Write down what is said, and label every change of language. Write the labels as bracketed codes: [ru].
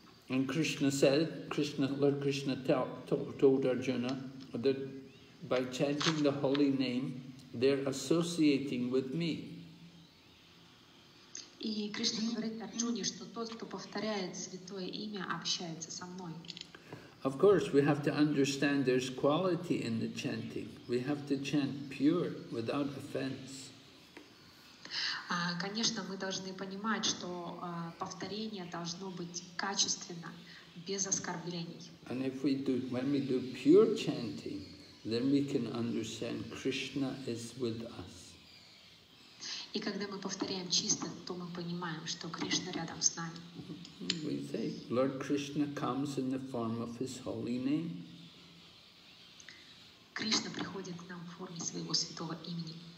[en] And Krishna said, Krishna, Lord Krishna told Arjuna that by chanting the holy name, they're associating with me. [ru] И Кришна говорит Арджуне, что тот, кто повторяет святое имя, общается со мной. [en] Of course, we have to understand there's quality in the chanting. We have to chant pure, without offense. [ru] Конечно, мы должны понимать, что повторение должно быть качественно, без оскорблений. [en] And if we do, when we do pure chanting, then we can understand Krishna is with us. [ru] И когда мы повторяем чисто, то мы понимаем, что Кришна рядом с нами. [en] We say, Lord Krishna comes in the form of His holy name. [ru] Кришна приходит к нам в форме своего святого имени.